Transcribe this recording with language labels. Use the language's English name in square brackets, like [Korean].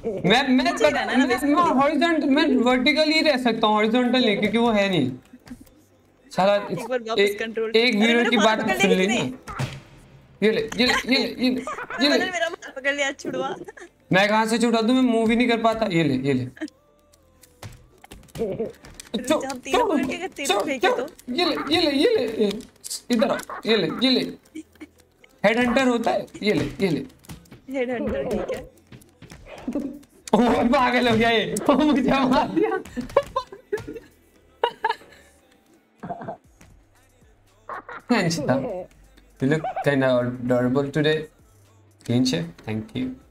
[Hindi] मैं हॉरिजॉन्टल, मैं वर्टिकल ही रह सकता हूँ, हॉरिजॉन्टल नहीं, क्योंकि वो है नहीं। साला एक कंट्रोल एक वीडियो की बात कर सुन ली ना। ये ले ये ले ये ले ये ले ये ले मेरा मार पकड़ लिया छुड़वा। मैं कहां से छुटा दूं, मैं मूव ही नहीं कर पाता। ये ले ये ले चो, चो, चो, चो, ये ले ये ले ये ले इधर आ, ये ले ये ले, हेड हंटर होता है, ये ले ये ले हेड हंटर। ठीक है ओ पागल हो गया ये, मुझे मार दिया। [English] Thanks था, you look kind of adorable today clean shave, thank you.